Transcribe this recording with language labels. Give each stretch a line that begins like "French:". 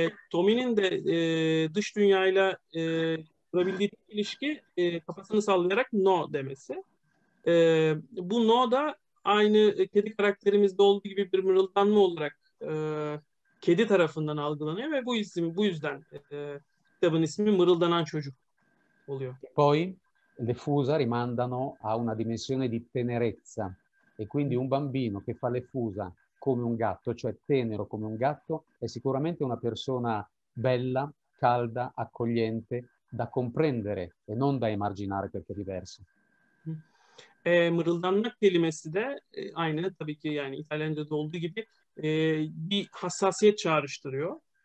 Turkish: Tommy'nin de dış dünyayla kurabildiği ilişki kafasını sallayarak no demesi. Bu no da aynı kedi karakterimizde olduğu gibi bir mırıldanma olarak kedi tarafından algılanıyor ve bu yüzden kitabın ismi Mırıldanan Çocuk oluyor.
Italian: Poi le fusa rimandano a una dimensione di tenerezza e quindi un bambino che fa le fusa come un gatto, cioè tenero come un gatto, è sicuramente una persona bella, calda, accogliente, da comprendere e non da emarginare perché è diverso.
Turkish: Mırıldanmak kelimesi de aynı tabii ki yani İtalyanca'da olduğu gibi bir hassasiyet çağrıştırıyor.